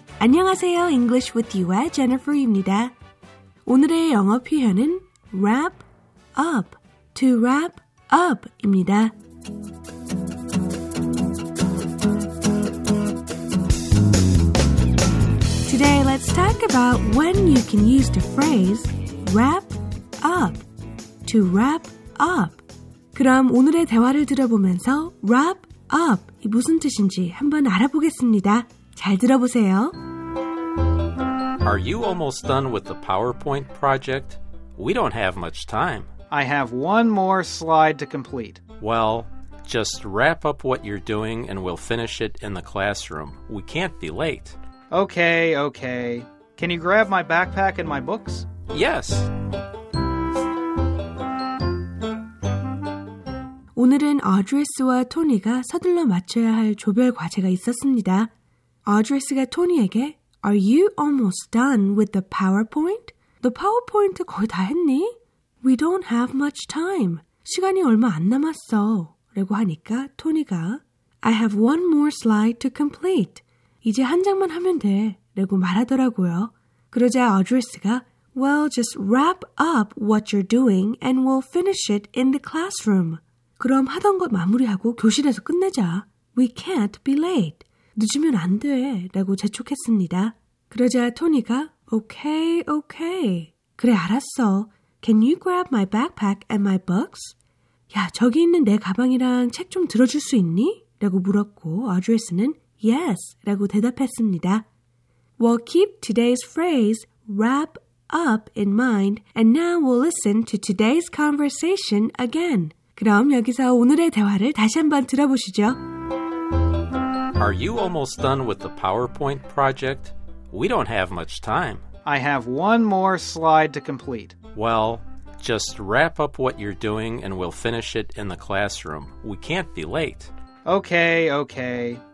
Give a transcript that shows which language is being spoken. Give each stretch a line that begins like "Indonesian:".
Korean: 안녕하세요, English with You의 Jennifer입니다. 오늘의 영어 표현은
English: wrap up, to wrap up
Korean: 입니다.
English: Today, let's talk about when you can use the phrase wrap up, to wrap up.
Korean: 그럼 오늘의 대화를 들어보면서 wrap up이 무슨 뜻인지 한번 알아보겠습니다. 잘 들어보세요.
English: Are you almost done with the PowerPoint project? We don't have much time. I have one more slide to complete. Well, just wrap up what you're doing and we'll finish it in the classroom. We can't be late. Okay, okay. Can you grab my backpack and my books? Yes.
Korean: 오늘은 Audrey와 Tony가 서둘러 마쳐야 할 조별 과제가 있었습니다.
English: Audrey가 Tony에게 Are you almost done with the PowerPoint? The PowerPoint
Korean: 거의 다 했니?
English: We don't have much time.
Korean: 시간이 얼마 안 남았어. 라고 하니까 토니가
English: I have one more slide to complete.
Korean: 이제 한 장만 하면 돼. 라고 말하더라고요. 그러자 어드리스가
English: Well, just wrap up what you're doing and we'll finish it in the classroom.
Korean: 그럼 하던 것 마무리하고 교실에서 끝내자.
English: We can't be late.
Korean: 늦으면 안 돼. 라고 재촉했습니다. 그러자 토니가
English: Okay, okay.
Korean: 그래, 알았어.
English: Can you grab my backpack and my books?
Korean: 야, 저기 있는 내 가방이랑 책 좀 들어줄 수 있니? 라고 물었고, Audrey는 yes 라고 대답했습니다.
English: Well, keep today's phrase wrap up in mind, and now we'll listen to today's conversation again.
Korean: 그럼 여기서 오늘의 대화를 다시 한번 들어보시죠.
English: Are you almost done with the PowerPoint project? We don't have much time. I have one more slide to complete. Well, just wrap up what you're doing and we'll finish it in the classroom. We can't be late. Okay, okay.